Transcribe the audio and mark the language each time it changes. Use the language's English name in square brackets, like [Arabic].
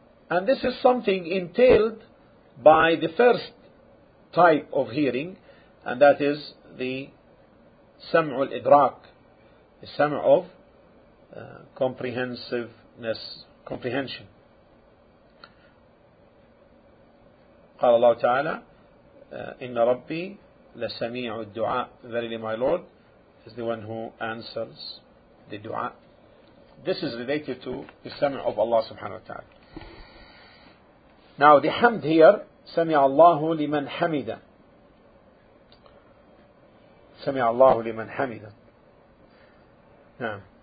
[English] And this is something entailed by the first type of hearing, and that is the sam'ul idraq, the sam' of comprehension. [Arabic] قال الله تعالى إن ربي لسميع الدعاء. [English] Verily my Lord is the one who answers the dua. This is related to the sam' of Allah subhanahu wa ta'ala. Now the hamd here, sami'a Allahu liman hamida. Sami'a Allahu liman hamida. Yeah.